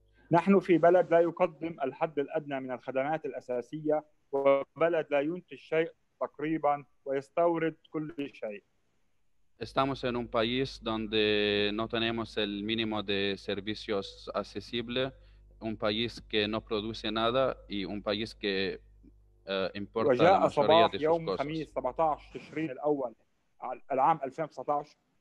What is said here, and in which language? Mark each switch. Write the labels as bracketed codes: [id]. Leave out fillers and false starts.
[ar] نحن في بلد لا يقدم الحد الأدنى من الخدمات الأساسية وبلد لا ينتج شيء تقريبا ويستورد كل شيء. [es] Estamos en un país donde no tenemos el mínimo de servicios accesibles, un país que no produce nada y un país que importa la mayoría de sus cosas. [ar] وجاء صباح يوم الخميس 17 تشرين الأول العام 2019.